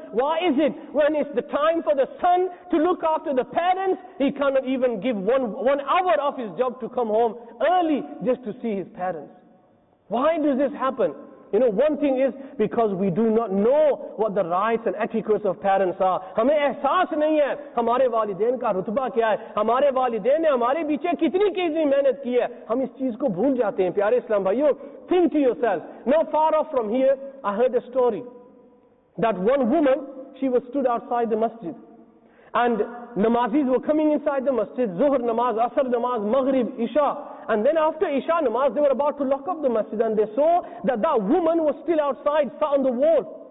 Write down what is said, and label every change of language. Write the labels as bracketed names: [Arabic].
[English] Why is it when it's the time for the son to look after the parents, he cannot even give one hour of his job to come home early just to see his parents? Why does this happen? You know, one thing is because we do not know what the rights and etiquettes of parents are. [Urdu] ہمیں احساس نہیں ہے ہمارے والدین کا رتبہ کیا ہے، ہمارے والدین نے ہمارے پیچھے کتنی محنت کی ہے۔ ہم اس چیز کو بھول جاتے ہیں، پیارے اسلام بھائیو۔ [English] Think to yourself. Not far off from here, I heard a story that one woman, she was stood outside the masjid, and namazis were coming inside the masjid, zuhr namaz, asr namaz, maghrib, isha. And then after Isha namaz, they were about to lock up the masjid, and they saw that woman was still outside, sat on the wall.